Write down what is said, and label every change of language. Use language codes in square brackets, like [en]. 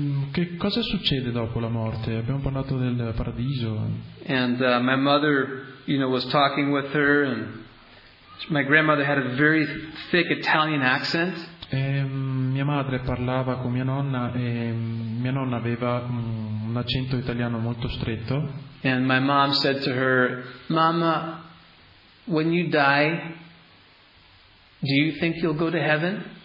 [it] Che cosa succede dopo la morte? Abbiamo parlato del paradiso. [en] And my mother, you know, was talking with her, and my grandmother had a very thick Italian accent. [it] Mia madre parlava con mia nonna e mia nonna aveva un accento italiano molto stretto. [en] And my mom said to her, "Mama, when you die, do you think you'll go to heaven?"